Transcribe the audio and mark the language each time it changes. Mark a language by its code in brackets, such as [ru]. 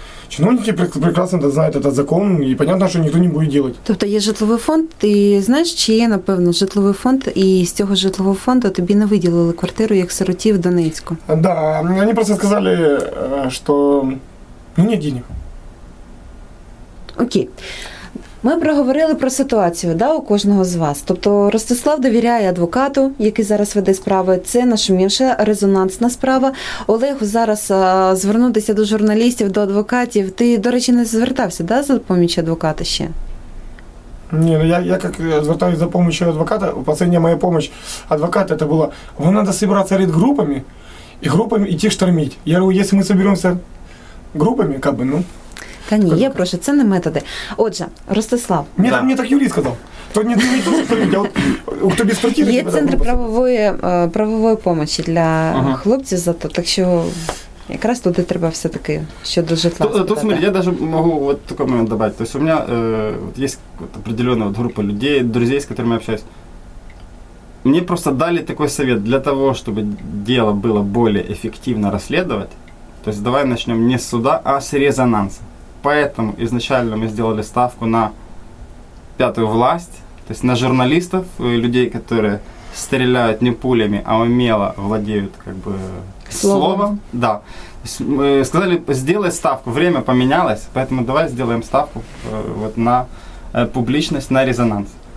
[ru] Чиновники прекрасно это знают, этот закон, и понятно, что никто не будет делать. То есть есть житловый фонд, ты знаешь, [uk] чи є, напевно, житловий фонд, [ru] и из этого житлового фонда тебе не выделили квартиру, как сироті в Донецку. Да, они просто сказали, что нет денег. Окей. [uk] Ми проговорили про ситуацію, да, у кожного з вас. Тобто Ростислав довіряє адвокату, який зараз веде справу. Це нашумівша резонансна справа. Олегу зараз звернутися до журналістів, до адвокатів. Ти, до речі, не звертався, да, за допомогою адвоката ще? Ні, я як звертаюся за допомогою адвоката, [ru] последняя моя [uk] допомога адвоката, це було, вам треба зібратися ряд групами і групами йти штормити. Я говорю, якщо ми зберемося групами, как бы, ну... Та ні, я прошу, це не методи. Отже, Ростислав. Ні, да. Мені так юрист сказав. То не тут сповідь, а от тобі з квартири. Є центр правової помощі для хлопців зато, так що якраз туди треба все-таки щодо житла. Тут, смотри, я навіть можу от такий момент додати. Тобто у мене є определена група людей, друзів, з якими я спілкуюся. Мені просто дали такий совет для того, щоб діло було більш ефективно розслідувати. Тобто давай почнемо не з суду, а з резонансу. [ru] Поэтому изначально мы сделали ставку на пятую власть, то есть на журналистов, людей, которые стреляют не пулями, а умело владеют как бы словом. Да. То есть мы сказали, сделай ставку, время поменялось, поэтому давай сделаем ставку вот на публичность, на резонанс.